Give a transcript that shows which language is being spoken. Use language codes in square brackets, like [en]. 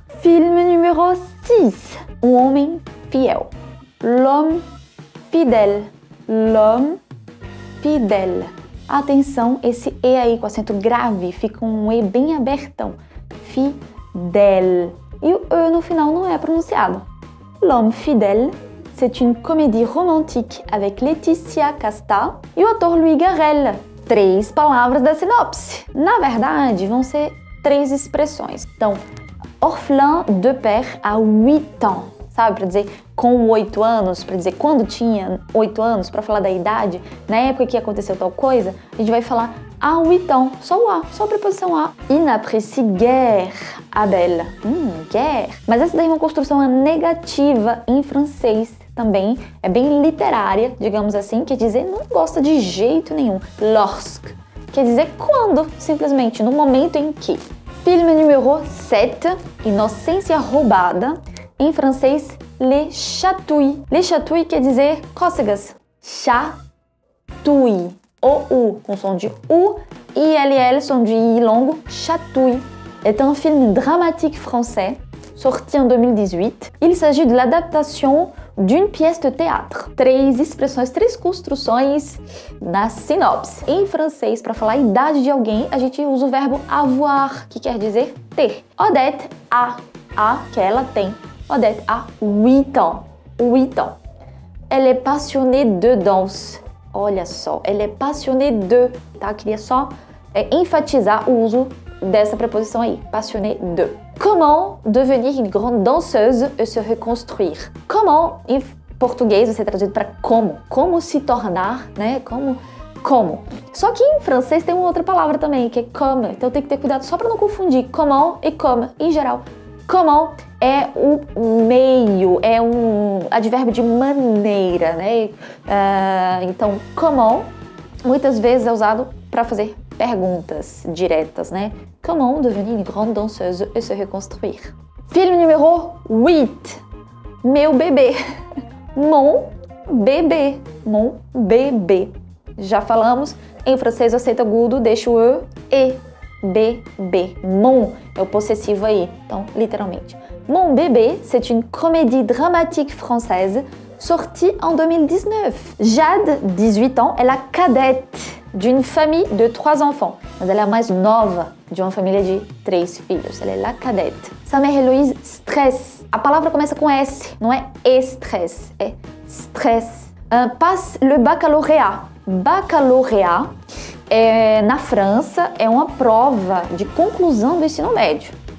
[pt] Filme número 6. Um homem fiel. [fr] L'homme fidèle. L'homme fidèle. [pt] Atenção, esse E aí com acento grave fica um E bem abertão. Fidèle. E o E no final não é pronunciado. [fr] L'homme fidèle, c'est une comédie romantique avec Laetitia Casta [pt] e o ator [fr] Louis Garrel. [pt] Três palavras da sinopse. Na verdade, vão ser três expressões. Então, orphelin de père à 8 ans. Sabe, para dizer com 8 anos, para dizer quando tinha 8 anos, para falar da idade, na época que aconteceu tal coisa, a gente vai falar à 8 ans, só o A, só a preposição A. [fr] Il n'apprécie guère, Abel. Guerre. [pt] Mas essa daí é uma construção negativa em francês também, é bem literária, digamos assim, quer dizer não gosta de jeito nenhum. Lorsque, quer dizer quando, simplesmente, no momento em que. Filme número 7, Inocência Roubada. Em francês, les chatouilles. Les chatouilles quer dizer cócegas. Chatouille. O U com som de U e LL, som de I longo. Chatouille. É um filme [fr] dramatique français, sorti [pt] em 2018. [fr] Il s'agit de l'adaptation d'une pièce de théâtre. [pt] Três expressões, três construções na sinopse. Em francês, para falar a idade de alguém, a gente usa o verbo avoir, que quer dizer ter. Odette a. A, que ela tem. Odette a 8 ans. 8 ans. [fr] Elle est passionnée de danse. [pt] Olha só, [fr] elle est passionnée de, tá? [pt] Queria só enfatizar o uso dessa preposição aí, passionnée de. Comment devenir une grande danseuse et se reconstruire? Comment, em português, você traduz para como? Como se tornar, né? Como? Como? Só que em francês tem uma outra palavra também, que é comme. Então tem que ter cuidado só para não confundir comment e comme em geral. Comment é o meio, é um advérbio de maneira, né? Então, comment muitas vezes é usado para fazer perguntas diretas, né? [fr] Comment devenir une grande danseuse et se reconstruire? [pt] Filme número 8. Meu bebê. [fr] Mon bébé. Mon bébé. [pt] Já falamos, em francês o acento agudo deixa o E. E. B, B. Mon é o possessivo aí, então literalmente. [fr] Mon bébé, c'est une comédie dramatique française sortie en 2019. Jade, 18 ans, est la cadette d'une famille de 3 enfants. [pt] Mas ela é a mais nova de uma família de 3 filhos. Ela é la cadette. [fr] Sa mère Louise stresse. [pt] A palavra começa com S, não é estresse, é stress. [fr] Passe le baccalauréat. [pt] Baccalauréat. É, na França, é uma prova de conclusão do ensino médio.